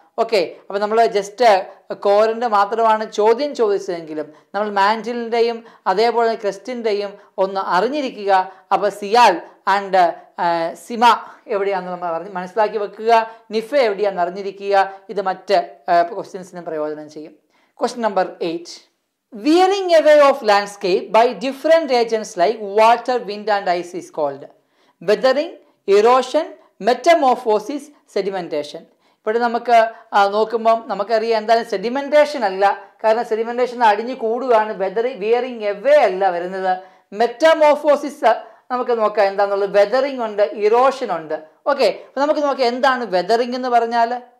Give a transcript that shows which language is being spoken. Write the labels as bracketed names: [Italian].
[Malayalam] Okay, അപ്പോൾ നമ്മൾ just കോറിൻ്റെ മാത്രമാണ് ചോദ്യം ചോദിച്ചതെങ്കിലും നമ്മൾ മാൻറ്റിലിൻ്റെയും അതേപോലെ ക്രസ്റ്റിൻ്റെയും ഒന്ന് അറിഞ്ഞിരിക്കുക. അപ്പോൾ സിയാൽ ആൻഡ് സിമ എവിടെയാണെന്ന് നമ്മൾ അറിഞ്ഞ് മനസ്സിലാക്കി വെക്കുക. നിഫ എവിടെയാണെന്ന് അറിഞ്ഞിരിക്കുക. ഇത് മറ്റ് ക്വസ്റ്റ്യൻസിനും പ്രയോജനം ചെയ്യും. Question number 8. [English] Veering away of landscape by different agents like water, wind and ice is called weathering, erosion, metamorphosis, sedimentation. [Malayalam] ഇവിടെ നമുക്ക് നോക്കുമ്പം നമുക്കറിയാം എന്താണ് സെഡിമെൻറ്റേഷൻ അല്ല, കാരണം സെഡിമെൻറ്റേഷൻ അടിഞ്ഞു കൂടുകയാണ്. വെതറിങ് വിയറിങ് എവേ അല്ല വരുന്നത്. മെറ്റമോഫോസിസ് നമുക്ക് നോക്കാം എന്താണെന്നുള്ളത്. വെതറിങ് ഉണ്ട്, ഇറോഷൻ ഉണ്ട്. ഓക്കെ, അപ്പോൾ നമുക്ക് നോക്കാം എന്താണ് വെതറിങ് എന്ന് പറഞ്ഞാൽ.